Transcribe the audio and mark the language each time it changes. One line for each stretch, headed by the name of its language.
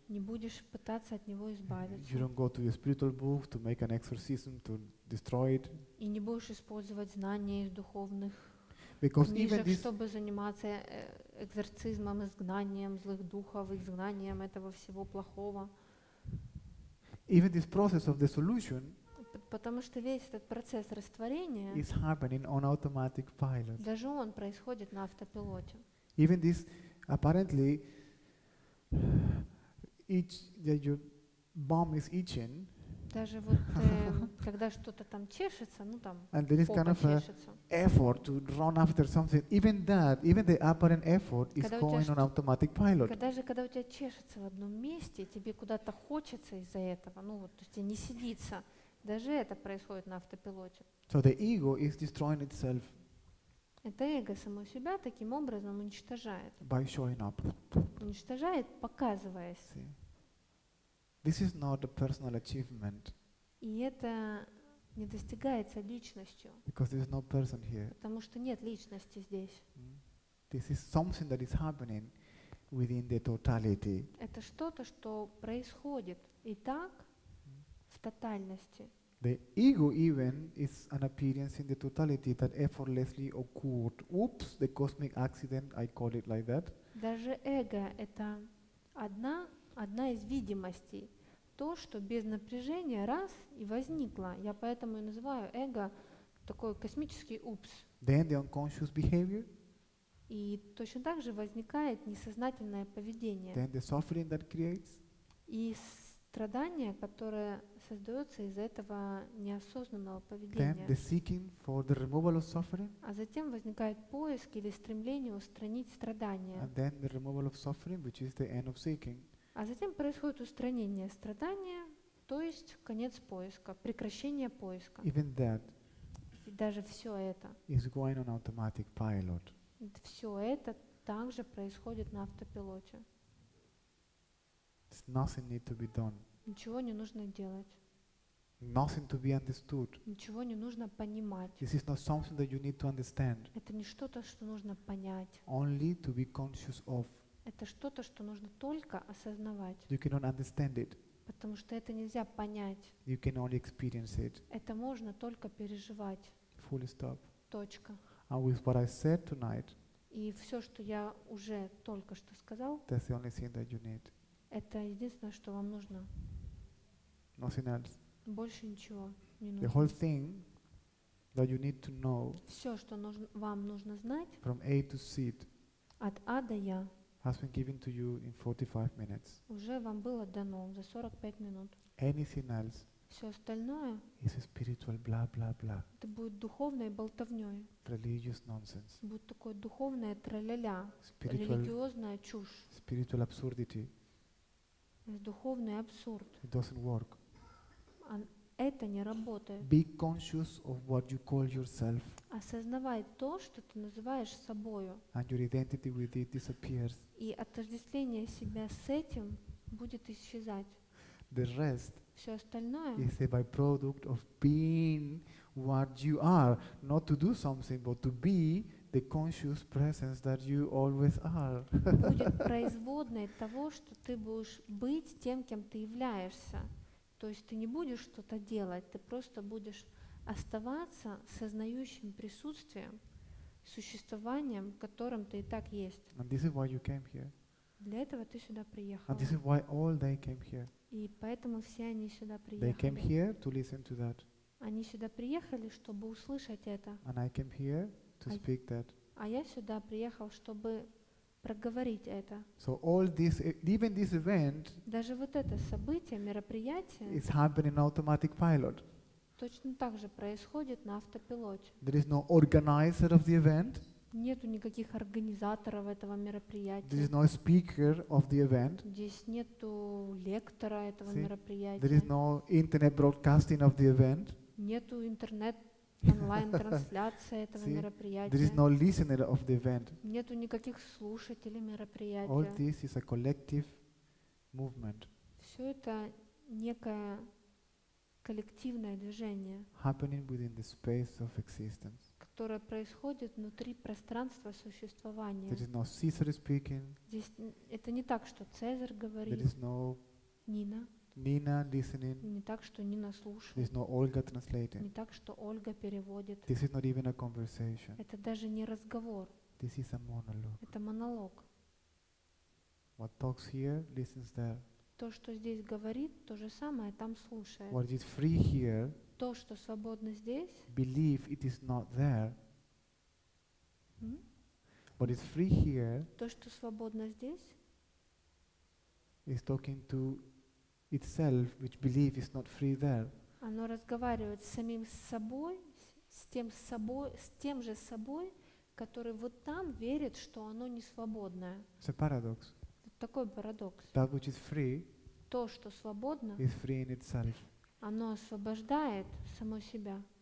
Russian: не будешь пытаться от него избавиться,
English: you don't go to your spiritual book to make an exorcism to destroy it,
Russian: и не будешь использовать знания из духовных книжек, чтобы заниматься экзорцизмом, изгнанием злых духов, изгнанием этого всего плохого.
English: Even this process of dissolution,
Russian: потому что весь этот процесс растворения,
English: is happening on automatic pilot.
Russian: Даже он происходит на автопилоте.
English: Even this, apparently, itch that your bum is itching.
Russian: Даже вот когда что-то там чешется, ну там.
English: And there is kind of an effort to run after something. Even that, even the apparent effort is going on automatic pilot.
Russian: Когда у тебя чешется в одном месте, тебе куда-то хочется из-за этого, ну вот, то есть тебе не сидится. Даже это происходит на автопилоте.
English: So the ego is destroying itself.
Russian: Это эго само себя таким образом уничтожает.
English: By showing up.
Russian: Уничтожает, показываясь.
English: See. This is not a personal achievement.
Russian: И это не достигается личностью.
English: Because there is no person here.
Russian: Потому что нет личности здесь. Mm.
English: This is something that is happening within the totality.
Russian: Это что-то, что происходит и так в тотальности.
English: The ego even is an appearance in the totality that effortlessly occurred. Oops, the cosmic accident, I call it like that.
Russian: Даже эго — это одна из видимостей. То, что без напряжения раз и возникло. Я поэтому и называю эго такой космический упс.
English: Then the unconscious behavior.
Russian: И точно так же возникает несознательное поведение.
English: Then the suffering that creates.
Russian: И страдание, которое создается из этого неосознанного поведения.
English: Then the seeking for the removal of suffering.
Russian: А затем возникает поиск или стремление устранить страдание.
English: And then the removal of suffering, which is the end of seeking.
Russian: А затем происходит устранение страдания, то есть конец поиска, прекращение поиска.
English: Even that.
Russian: И даже все это.
English: Is going on automatic pilot.
Russian: Все это также происходит на автопилоте.
English: Nothing need to be done.
Russian: Ничего не нужно делать.
English: Nothing to be understood.
Russian: Ничего не нужно понимать.
English: This is not something that you need to understand.
Russian: Это не что-то, что нужно понять.
English: Only to be conscious of.
Russian: Это что-то, что нужно только осознавать.
English: You cannot understand it.
Russian: Потому что это нельзя понять.
English: You can only experience it.
Russian: Это можно только переживать.
English: Full stop.
Russian: Точка.
English: And with what I said tonight.
Russian: И все, что я уже только что сказал.
English: That's the only thing that you need.
Russian: Это единственное, что вам нужно.
English: Nothing else.
Russian: Больше ничего не нужно.
English: The whole thing that you need to know.
Russian: Все, что вам нужно знать.
English: From A to Z.
Russian: От А до Я.
English: Has been given to you in 45 minutes.
Russian: Уже вам было дано за 45 минут.
English: Anything else.
Russian: Все остальное.
English: Is spiritual blah blah blah.
Russian: Это будет духовной болтовней. Religious nonsense. Будет такое духовное траляля. Религиозная чушь.
English: Spiritual absurdity.
Russian: Духовный абсурд.
English: It doesn't work.
Russian: это не работает.
English: Be conscious of what you call yourself.
Russian: Осознавай то, что ты называешь собою.
English: And your identity with it disappears.
Russian: И отождествление себя с этим будет исчезать.
English: The rest
Russian: все остальное
English: is a byproduct of being what you are, not to do something, but to be the conscious presence that you always are.
Russian: Будет производной того, что ты будешь быть тем, кем ты являешься. То есть ты не будешь что-то делать, ты просто будешь оставаться сознающим присутствием, существованием, которым ты и так есть.
English: And this is why you came here.
Russian: Для этого ты сюда приехал.
English: And this is why all they came here.
Russian: И поэтому все они сюда приехали.
English: They came here to listen to that.
Russian: Они сюда приехали, чтобы услышать это.
English: And I came here to speak that.
Russian: А я сюда приехал, чтобы проговорить это.
English: So all this, even this event,
Russian: даже вот это событие, мероприятие,
English: is happening on automatic pilot.
Russian: Точно так же происходит на автопилоте.
English: There is no organizer of the event.
Russian: Нету никаких организаторов этого мероприятия.
English: There is no speaker of the event.
Russian: Здесь нету лектора этого мероприятия.
English: There is no internet broadcasting of the event.
Russian: Нету интернет онлайн-трансляция этого мероприятия.
English: There is no listener of the event.
Russian: Нету никаких слушателей мероприятия.
English: All this is a collective movement.
Russian: Все это некое коллективное движение,
English: happening within the space of existence,
Russian: которое происходит внутри пространства существования.
English: There is no Caesar speaking.
Russian: Здесь это не так, что Цезарь говорит.
English: There is no
Russian: Нина.
English: Nina listening.
Russian: Не так, что Нина слушает.
English: There is no Olga translating.
Russian: Не так, что Ольга переводит.
English: This is not even a conversation.
Russian: Это даже не разговор.
English: This is a monologue.
Russian: Это монолог.
English: What talks here listens there.
Russian: То, что здесь говорит, то же самое там слушает.
English: What is free here,
Russian: то, что свободно здесь,
English: believe it is not there. Mm-hmm. What is free here,
Russian: то, что свободно здесь,
English: is talking to itself, which believe is not free there.
Russian: Оно разговаривает с самим собой, с тем же собой, который вот там верит, что оно не свободное.
English: It's a paradox.
Russian: Такой парадокс.
English: That which is free,
Russian: то, что свободно,
English: is free in itself.
Russian: Оно освобождает само себя.